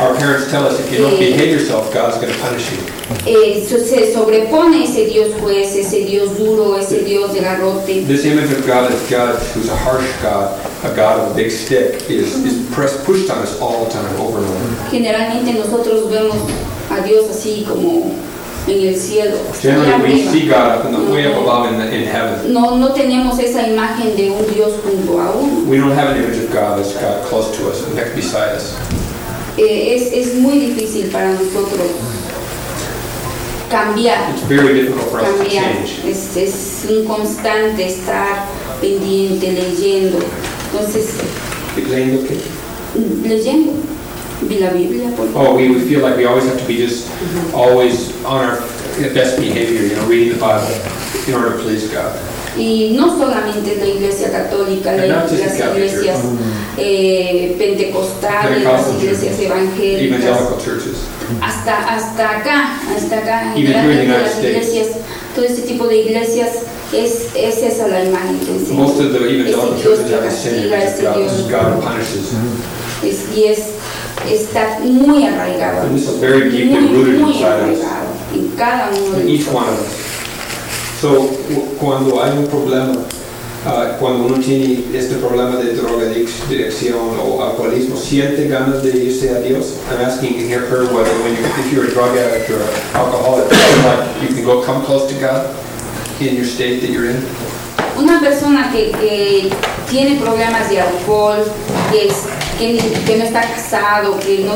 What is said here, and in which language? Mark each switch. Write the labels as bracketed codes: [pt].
[en] Our parents tell us, if you don't behave yourself, God's going to punish you. [es] Se sobrepone ese Dios juez, ese Dios duro, ese Dios de garrote. [en] This image of God as God, who's a harsh God, a God of a big stick, is pushed on us all the time, over and over. [es] Generalmente nosotros vemos a Dios así como en el cielo. [en] Generally, we see God up in the way up above in heaven. [es] No tenemos esa imagen de un Dios junto a uno. [en] We don't have an image of God as God close to us, next beside us. [es] Es muy difícil para nosotros. [en] It's very difficult for us [es] cambiar. [en] To change. [es] Es un constante estar pendiente, leyendo. Entonces, leyendo qué? Leyendo. Vi la Biblia, por favor. [en] Oh, we feel like we always have to be just always on our best behavior, you know, reading the Bible in order to please God. [es] Y no solamente la Iglesia Católica, las iglesias pentecostales, las iglesias evangélicas, hasta acá, las iglesias, todo este tipo de iglesias, es esa la imagen que enseña. [en] Most of the evangelical churches have a sin, God punishes. [es] Y está muy arraigado, muy arraigado en cada uno de ellos. So, cuando hay un problema, cuando uno tiene este problema de drogadicción o alcoholismo, ¿siente ganas de irse a Dios? [en] I'm asking in here, her, whether when you, if you're a drug addict or an alcoholic, you can go come close to God in your state that you're in. [es] Una persona que tiene problemas de alcohol, que no está casado, que no